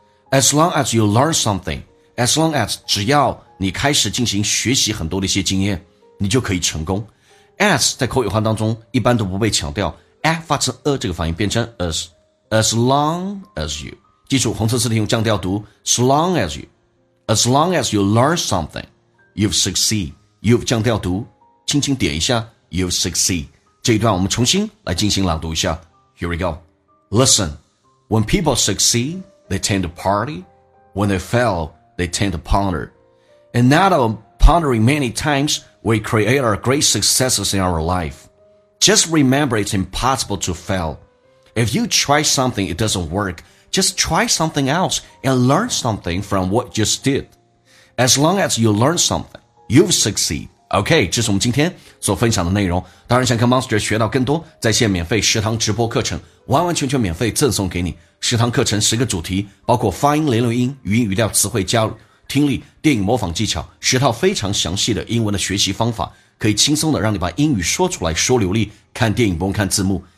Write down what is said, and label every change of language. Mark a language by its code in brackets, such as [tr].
[en] As long as you learn something, as long as [zh] 只要你开始进行学习很多的一些经验，你就可以成功。 As 在口语化当中一般都不被强调 ，a 发成 a 这个发音变成 [en] as long as you。 [zh] 记住，红色字体用降调读 ， [en] as long as you。 As long as you learn something, you've succeed. You've [zh] 降调读，轻轻点一下 ， [en] you've succeed. [zh] 这一段我们重新来进行朗读一下。 [en] Here we go. Listen, when people succeed, they tend to party. When they fail, they tend to ponder. And out of pondering many times, we create our great successes in our life. Just remember, it's impossible to fail. If you try something, it doesn't work. Just try something else and learn something from what you just did. As long as you learn something, you've succeed. OK, [zh] 这是我们今天所分享的内容。当然想跟 Monster 学到更多，在线免费食堂直播课程完完全全免费赠送给你。食堂课程十个主题，包括发音、连录音、语音语调、词汇加入、听力、电影模仿技巧，十套非常详细的英文的学习方法，可以轻松的让你把英语说出来，说流利，看电影不用看字幕。